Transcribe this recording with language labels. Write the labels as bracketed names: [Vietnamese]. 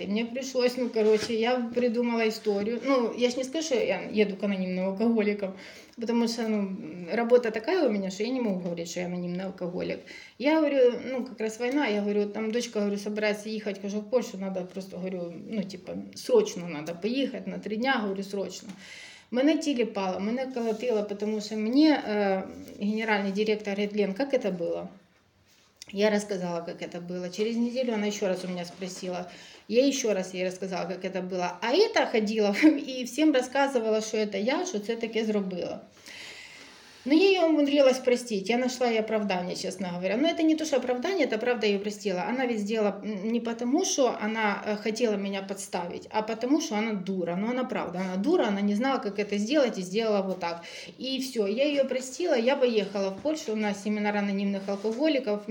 [Russian] И мне пришлось, ну, короче, я придумала историю. Ну, я ж не скажу, что я еду к анонимным алкоголикам. Потому что, ну, работа такая у меня, что я не могу говорить, что я анонимный алкоголик. Я говорю, ну, как раз война, я говорю, там дочка, говорю, собирается ехать, кажу, в Польшу, надо просто, говорю, ну, типа, срочно надо поехать на 3 дня, говорю, срочно. [Ukrainian] Мене тіліпало, мене колотило, тому що мені генеральний директор Редлен, як це було? Я розказала, як це було. Через неділю вона ще раз у мене спросила. Я ще раз їй розказала, як це було. А ета ходила і всім розказувала, що це я, що це таке зробила. [Russian] Ну, я ее умудрилась простить, я нашла ей оправдание, честно говоря. Но это не то, что оправдание, это правда ее простила. Она ведь сделала не потому, что она хотела меня подставить, а потому, что она дура. Ну, она правда, она дура, она не знала, как это сделать, и сделала вот так. И все, я ее простила, я поехала в Польшу на семинар анонимных алкоголиков.